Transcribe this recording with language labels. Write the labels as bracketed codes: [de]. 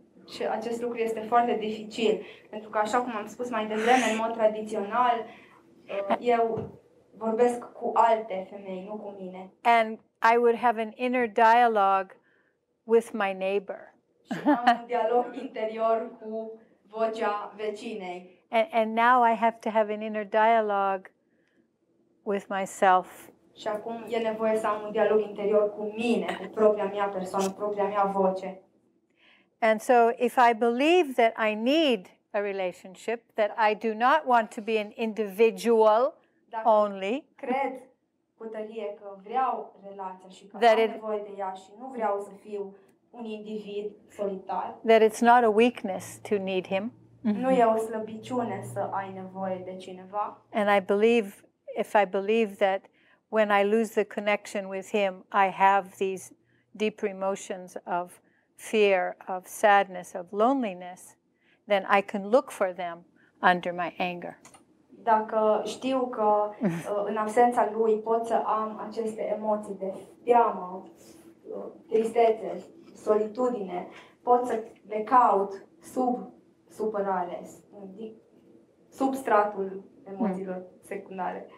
[ro] Și acest lucru este foarte dificil, pentru că așa cum am spus mai devreme, în mod tradițional, eu vorbesc cu alte femei, nu cu mine. [en] And I would have an inner dialogue with my neighbor. [ro] Și am un dialog interior cu vocea vecinei. [en] And now I have to have an inner dialogue with myself. [ro] Și acum e nevoie să am un dialog interior cu mine, cu propria mea persoană, propria mea voce. [en] And so if I believe that I need a relationship, that I do not want to be an individual only, [ro] cred cu tărie că vreau relația și că am nevoie de ea și nu vreau să fiu un individ solitar. [en] That it's not a weakness to need him. [ro] Nu e o slăbiciune să ai nevoie de cineva. [en] And I believe, if I believe that when I lose the connection with him, I have these deeper emotions of fear, of sadness, of loneliness, then I can look for them under my anger. [ro] Dacă știu că în absența lui pot să am aceste emoții de teamă, tristețe, solitudine, pot să le caut sub supărare, sub stratul emoțiilor secundare.